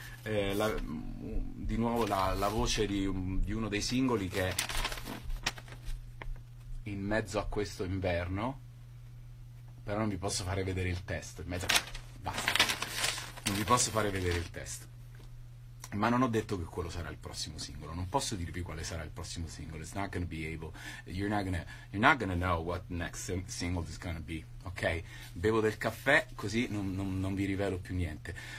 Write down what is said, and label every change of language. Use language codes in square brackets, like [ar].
[it] di nuovo la voce di uno dei singoli che in mezzo a questo inverno, però non vi posso fare vedere il testo, in mezzo a, basta, non vi posso fare vedere il testo. Ma non ho detto che quello sarà il prossimo singolo, non posso dirvi quale sarà il prossimo singolo. [en] It's not gonna be able, you're not gonna know what next single is gonna be, ok? [it] Bevo del caffè, così non vi rivelo più niente.